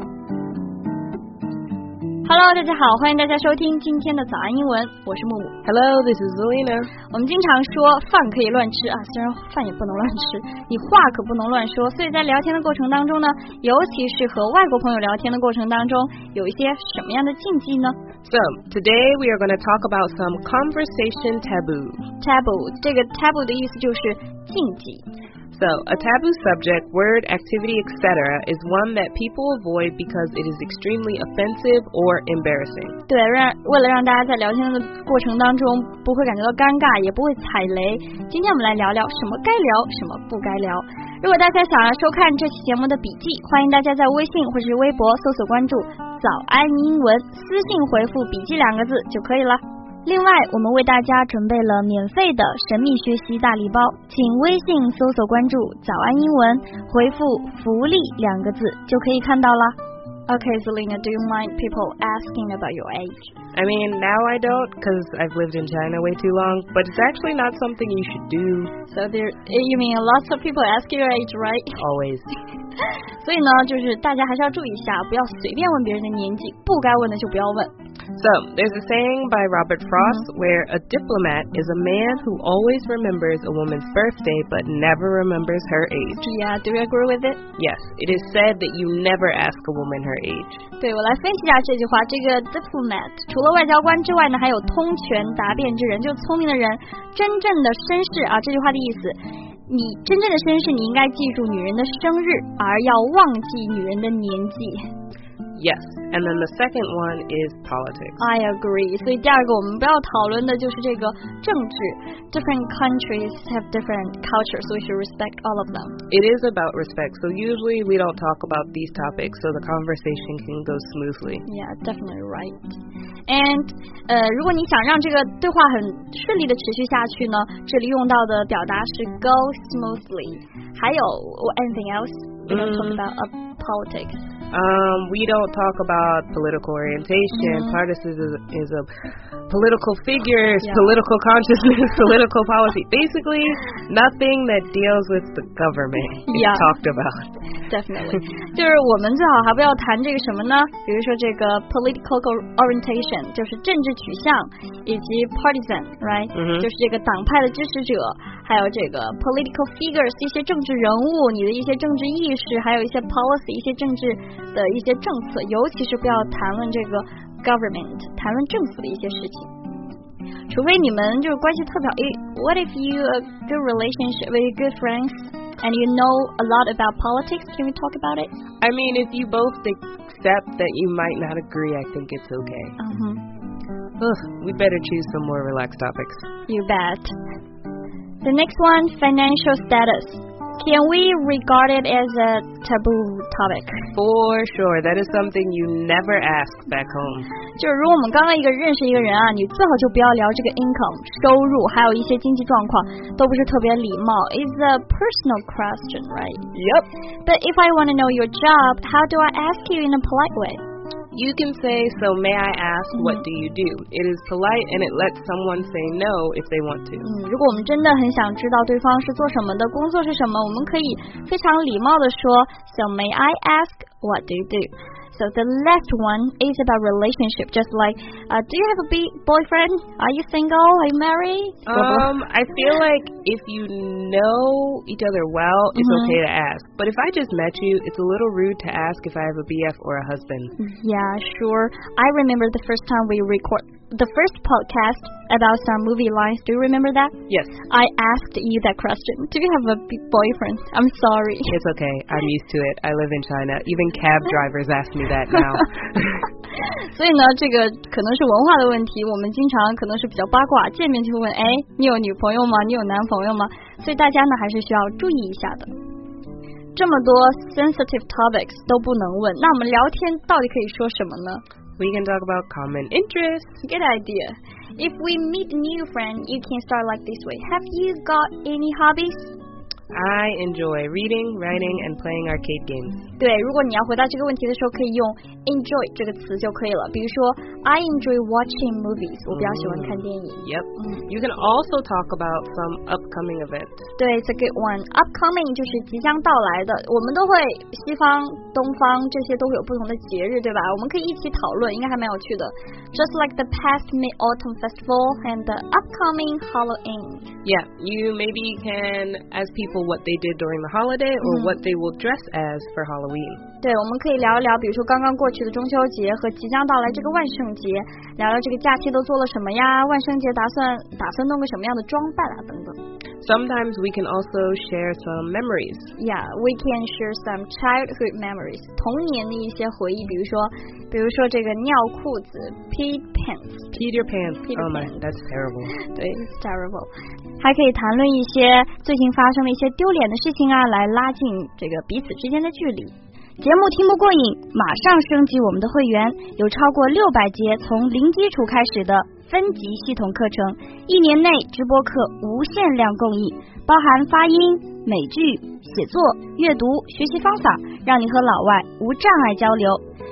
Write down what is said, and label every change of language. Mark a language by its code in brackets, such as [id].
[zh] Hello， 大家好，欢迎大家收听今天的早安英文，我是木木。 [en] Hello， this is Zelina。 [zh] 我们经常说饭可以乱吃啊，虽然饭也不能乱吃，你话可不能乱说。所以在聊天的过程当中呢，尤其是和外国朋友聊天的过程当中，有一些什么样的禁忌呢？ [en] So, today we are going to talk about some conversation taboo. [zh] Taboo, 这个 taboo 的意思就是禁忌。 [en] So, a taboo subject, word, activity, etc. is one that people avoid because it is extremely offensive or embarrassing. [zh] 对，为了让大家在聊天的过程当中不会感觉到尴尬，也不会踩雷，今天我们来聊聊什么该聊，什么不该聊。如果大家想要收看这期节目的笔记，欢迎大家在微信或是微博搜索关注早安英文，私信回复笔记两个字就可以了。另外，我们为大家准备了免费的神秘学习大礼包，请微信搜索关注早安英文，回复福利两个字就可以看到了。 [en] Okay, Zelina, do you mind people asking about your age? I mean, now I don't, because I've lived in China way too long, but it's actually not something you should do. So there, you mean lots of people ask your age, right? Always. [zh] 所以呢，就是大家还是要注意一下，不要随便问别人的年纪，不该问的就不要问。 [en] So, there's a saying by Robert Frost, where a diplomat is a man who always remembers a woman's birthday, but never remembers her age. Yeah, do you agree with it? Yes, it is said that you never ask a woman her age. [zh] 对，我来分析一下这句话，这个 diplomat, 除了外交官之外呢，还有通权达变之人，就聪明的人，真正的绅士啊，这句话的意思。你真正的绅士，你应该记住女人的生日，而要忘记女人的年纪。 [en] Yes, and then the second one is politics. I agree. [zh] 所以第二个我们不要讨论的就是这个政治。 [en] Different countries have different cultures, so we should respect all of them. It is about respect. So usually we don't talk about these topics, so the conversation can go smoothly. Yeah, definitely right. [zh] And, 如果你想让这个对话很顺利的持续下去呢，这里用到的表达是 [en] go smoothly. 还有 anything else? We don't talk about politics. We don't talk about political orientation. Tardis is a political figure, political consciousness, political policy. Basically, nothing that deals with the government is talked about. Definitely. [zh] 就是我们最好还不要谈这个什么呢？比如说这个 political orientation, 就是政治取向，以及 partisan, right?、 Mm-hmm. 就是这个党派的支持者，还有这个 political figures, 一些政治人物，你的一些政治意识，还有一些 policy, 一些政治的一些政策，尤其是不要谈论这个 government, 谈论政府的一些事情。除非你们就是关系特别好。 [en] What if you a good relationship with good friends and you know a lot about politics? Can we talk about it? I mean, if you both accept that you might not agree, I think it's okay. Ugh, we better choose some more relaxed topics. You bet. The next one, financial status. Can we regard it as a taboo topic? For sure, that is something you never ask back home. [zh] 就是如果我们刚刚一个认识一个人啊，你最好就不要聊这个 income 收入，还有一些经济状况，都不是特别礼貌。 [en] It's a personal question, right? Yep. But if I want to know your job, how do I ask you in a polite way? You can say, so may I ask, what do you do? It is polite and it lets someone say no if they want to. [zh] 如果我们真的很想知道对方是做什么的，工作是什么，我们可以非常礼貌地说 [en] so may I ask, what do you do? So the last one is about relationship, just like, do you have a boyfriend? Are you single? Are you married? I feel like if you know each other well, it's okay to ask. But if I just met you, it's a little rude to ask if I have a BF or a husband. Yeah, sure. I remember the first time we recorded the first podcast about some movie lines. Do you remember that? Yes. I asked you that question. Do you have a boyfriend? I'm sorry. It's okay. I'm used to it. I live in China. Even cab drivers ask me that now. [zh] 所以呢，这个可能是文化的问题，我们经常可能是比较八卦，见面就问，哎，你有女朋友吗？你有男朋友吗？所以大家呢，还是需要注意一下的。这么多 sensitive topics 都不能问，那我们聊天到底可以说什么呢？ [en] We can talk about common interests. Good idea. If we meet a new friend, you can start like this way. Have you got any hobbies? I enjoy reading, writing, and playing arcade games. [zh] 对，如果你要回答这个问题的时候，可以用 enjoy 这个词就可以了。比如说 ， [en] I enjoy watching movies. [zh] 我比较喜欢看电影。 [en] Yep. You can also talk about some upcoming events. 对 ，it's a good one. [zh] Upcoming 就是即将到来的。我们都会西方、东方这些都会有不同的节日，对吧？我们可以一起讨论，应该还蛮有趣的。 [en] Just like the past Mid-Autumn Festival and the upcoming Halloween. Yeah, you maybe can ask people what they did during the holiday or what they will dress as for Halloween. [zh] 对，我们可以聊一聊，比如说刚刚过去的中秋节和即将到来这个万圣节，聊聊这个假期都做了什么呀？万圣节打算弄个什么样的装扮啊？等等。 [en] Sometimes we can also share some memories. Yeah, we can share some childhood memories. [zh] 童年的一些回忆，比如说这个尿裤子 pee pants. [en] Pee your pants. Oh my, that's terrible. 对 it's terrible. [zh] 还可以谈论一些最近发生的一些丢脸的事情啊，来拉近这个彼此之间的距离。节目听不过瘾，马上升级我们的会员，有超过600节从零基础开始的分级系统课程，一年内直播课无限量供应，包含发音、美剧、写作、阅读、学习方法，让你和老外无障碍交流。